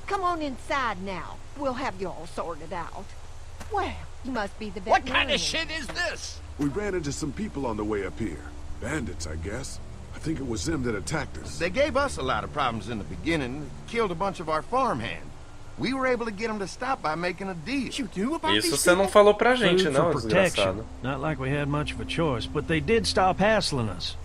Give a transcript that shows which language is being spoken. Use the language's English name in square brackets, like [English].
[English] Come on inside now. We'll have you all sorted out. Well, you must be the best. What kind of shit is this? We ran into some people on the way up here. Bandits, I guess. I think it was them that attacked us. They gave us a lot of problems in the beginning. Killed a bunch of our farmhands. We were able to get him to stop by making a deal. You knew about [Portuguese] isso você não falou pra gente, não, desgraçado. [English] Not like we had much of a choice, but they did stop hassling us.